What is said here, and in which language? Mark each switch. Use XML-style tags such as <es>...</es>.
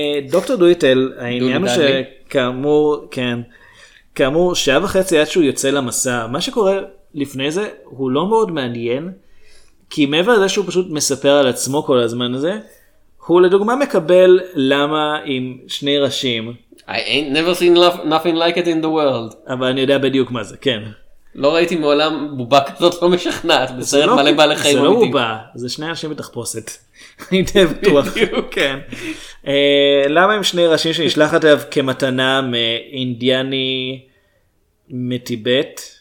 <he>דוקטור דויטל, העניין הוא שכאמור, כן, כאמור, שעה וחצי עד שהוא יוצא למסע, מה שקורה לפני זה הוא לא מאוד מעניין, כי מעבר לזה שהוא פשוט מספר על עצמו כל הזמן הזה, הוא לדוגמה מקבל למה עם שני ראשים.</he> <en>I ain't never seen nothing like it in the world.</en> <he>אבל אני יודע בדיוק מה זה, כן. לא ראיתי מעולם בובה כזאת לא משכנעת, בסרט מלא בעלי חיים. זה לא בובה, זה שני ראשים בתחפושת. אני די בטוח. כן. למה עם שני ראשים שנשלחת עליו כמתנה מאינדיאני מטיבט?</he>